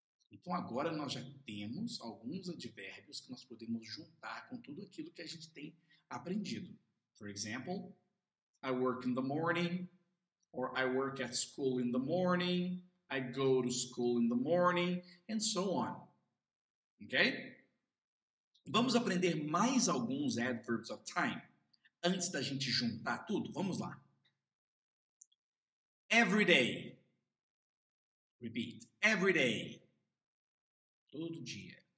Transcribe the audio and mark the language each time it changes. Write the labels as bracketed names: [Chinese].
[Portuguese] Então agora nós já temos alguns advérbios que nós podemos juntar com tudo aquilo que a gente tem aprendido. [English] For example, I work in the morning, or I work at school in the morning, I go to school in the morning, and so on. Okay? [Portuguese] Vamos aprender mais alguns [English] adverbs of time [Portuguese] antes da gente juntar tudo. Vamos lá. [English] Every day. Repeat. Every day. [Portuguese] Todo dia.